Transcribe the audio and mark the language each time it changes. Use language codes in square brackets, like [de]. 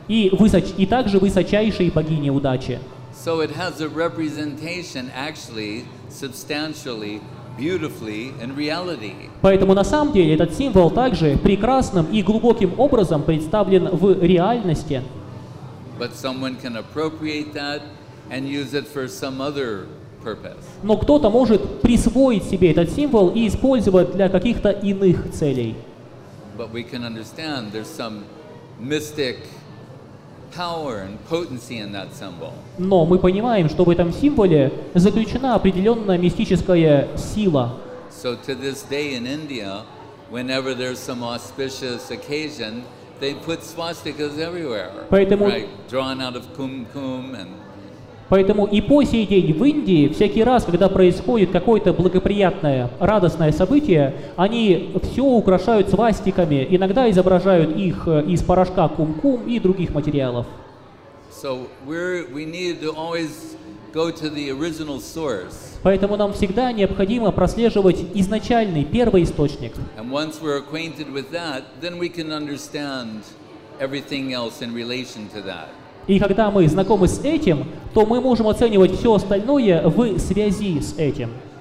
[ru] И также высочайшей богини удачи. [en] So it has a representation, actually, substantially, beautifully in reality. [ru] Поэтому на самом деле этот символ также прекрасным и глубоким образом представлен в реальности. [en] But someone can appropriate that and use it for some other purpose. [ru] Но кто-то может присвоить себе этот символ и использовать для каких-то иных целей. [en] But we can understand there's some mystic power and potency in that symbol. [ru] Но мы понимаем, что в этом символе заключена определенная мистическая сила. [en] So to this day in India, whenever there's some auspicious occasion, they put swastikas everywhere. [ru] Поэтому, [en] right, drawn out of kumkum and. [ru] Поэтому и по сей день в Индии всякий раз, когда происходит какое-то благоприятное, радостное событие, они все украшают свастиками, иногда изображают их из порошка кумкум и других материалов. [en] So we need to always go to the original source. [ru] Поэтому нам всегда необходимо прослеживать изначальный, первый источник. [en] And once we're acquainted with that, then we can understand everything else in relation to that. [ru] И когда мы знакомы с этим, то мы можем оценивать все остальное в связи с этим.